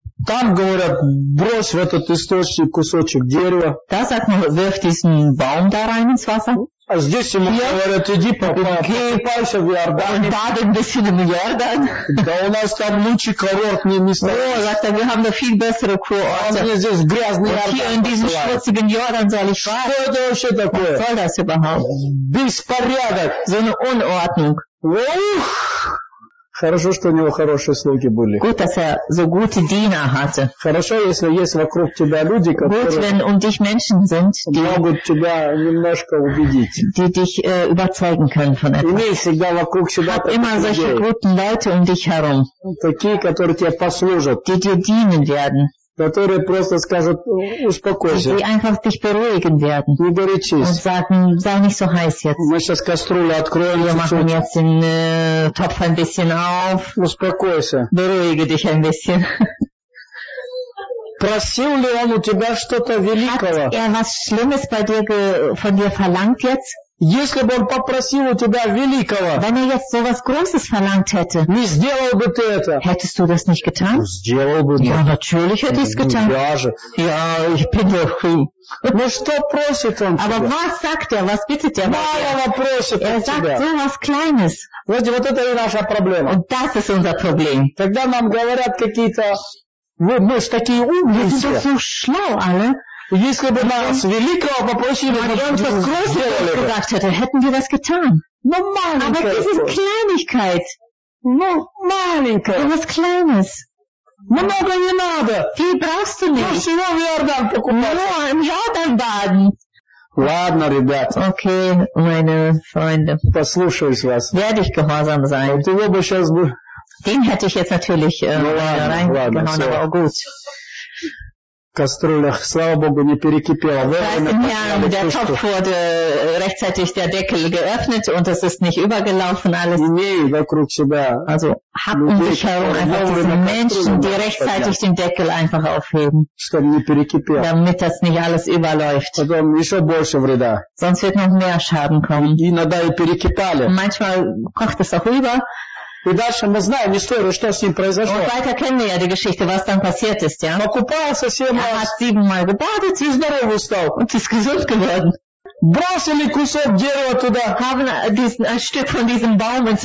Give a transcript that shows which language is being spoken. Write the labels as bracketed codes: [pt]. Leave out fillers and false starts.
[ru] Там говорят, брось в этот источник кусочек дерева. Да, [de] sagt man, wirf diesen Baum da rein ins Wasser. [ru] А здесь ему говорят, иди покупайся в Иордане. [de] Und baden ein bisschen im Jordan. [ru] Да у нас там лучший курорт, не место. [de] Oh, sagt er, wir haben noch viel bessere Kurorte. [ru] А мне здесь грязный Иордан. [de] Hier in diesem schmutzigen Jordan soll ich fahren. [ru] Что это вообще такое? [de] Was soll das überhaupt? [ru] Беспорядок. [de] So eine Unordnung. [ru] Ух! Хорошо, что у него хорошие слуги были. [de] Gut, dass er so gute Diener hatte. [ru] Хорошо, если есть вокруг тебя люди, которые могут тебя немножко убедить. [de] Die dich überzeugen können von etwas. [ru] Имей всегда вокруг себя таких людей. [de] Hab immer solche guten Leute um dich herum. [ru] Такие, которые тебе послужат. [de] Die dir dienen werden. [ru] Которые просто скажут, успокойся. [de] Die einfach dich beruhigen werden. [ru] Не горячись. [de] Und sagen, sei nicht so heiß jetzt. [ru] Мы сейчас кастрюлю откроем. [de] Wir machen jetzt den Topf ein bisschen auf. [ru] Успокойся. [de] Beruhige dich ein bisschen. [ru] Просил ли он у тебя что-то великого? [de] Hat er was Schlimmes bei dir von dir verlangt jetzt? [ru] Если бы он попросил у тебя великого, [de] wenn er jetzt sowas Großes verlangt hätte, [ru] не сделал бы ты это. [de] Hättest du das nicht getan? [ru] Сделал бы. [de] Ja, natürlich hätte ich es getan. [ru] Я же. [de] Ja, ich bin doch. [ru] Ну что просит он тебя? [de] Aber was sagt er? Was bittet er? [ru] Малого просит он тебя. [de] Er sagt sowas Kleines. [ru] Знаете, вот это и наша проблема. [de] Und das ist unser Problem. [ru] Когда нам говорят какие-то, вот мы ж такие умные. [de] Wir sind so schlau, alle. [ru] Если бы нас великого попросили, мы бы [de] Gesagt hätte, hätten wir das getan. [ru] Но маленькое. [de] Aber diese Kleinigkeit. [ru] Но маленькое. Это [de] was Kleines. [ru] Много не надо. [de] Viel brauchst du nicht. Ich will nur Jordan [ru] покупать. [de] Nur im Jordan baden. [ru] Ладно, ребята. [de] Okay, meine Freunde. [ru] Послушаюсь вас. [de] Werde ich gehorsam sein. [ru] Вот его бы сейчас бы... [de] Den hätte ich jetzt natürlich reingehauen, aber auch gut. [ru] Кастрюлях, слава богу, не перекипело. Да, [de] der Topf wurde rechtzeitig der Deckel geöffnet und es ist nicht übergelaufen alles. Nee, [ru] вокруг себя. [de] Also, hab um dich herum einfach diese Menschen, die rechtzeitig den Deckel einfach aufheben. [ru] Чтобы не перекипело. [de] Damit das nicht alles überläuft. [ru] Потом еще больше вреда. [de] Sonst wird noch mehr Schaden kommen. [ru] И иногда и перекипали. [de] Manchmal kocht es auch über. [ru] И дальше мы знаем историю, что с ним произошло. [de] Und weiter kennen wir ja die Geschichte, was dann passiert ist, ja? [ru] Покупался 7 [de] раз. Er hat 7 mal gebadet. [ru] И здоровый стал. [de] Und ist gesund geworden. [ru] Бросили кусок дерева туда. [de] Haben ein Stück von diesem Baum ins